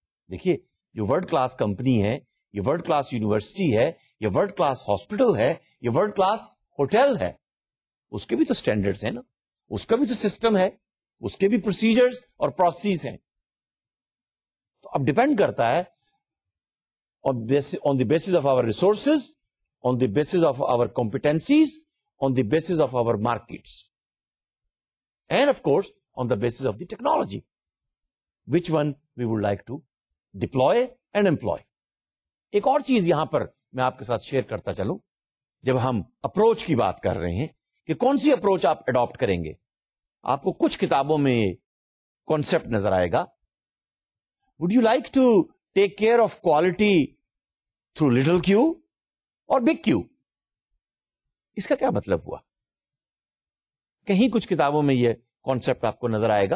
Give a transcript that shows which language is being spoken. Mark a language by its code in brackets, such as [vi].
[ur] دیکھیے جو world class company ہے، یہ ورلڈ کلاس یونیورسٹی ہے، یہ ورلڈ کلاس ہاسپٹل ہے، یہ ورلڈ کلاس ہوٹل ہے، اس کے بھی تو سٹینڈرڈز ہیں نا، اس کا بھی تو سسٹم ہے، اس کے بھی پروسیجرز اور پروسیس ہیں. تو اب ڈیپینڈ کرتا ہے [en] On the basis of our resources, on the basis of our competencies, on the basis of our markets, and of course on the basis of the technology which one we would like to deploy and employ. [ur] ایک اور چیز یہاں پر میں آپ کے ساتھ share کرتا چلوں، جب ہم اپروچ کی بات کر رہے ہیں کہ کون سی اپروچ آپ اڈاپٹ کریں گے، آپ کو کچھ کتابوں میں کانسیپٹ نظر آئے گا. [en] Would you like to take care of quality through little Q اور big Q? [ur] اس کا کیا مطلب ہوا؟ کہیں کچھ کتابوں میں یہ کانسیپٹ آپ کو نظر آئے گا.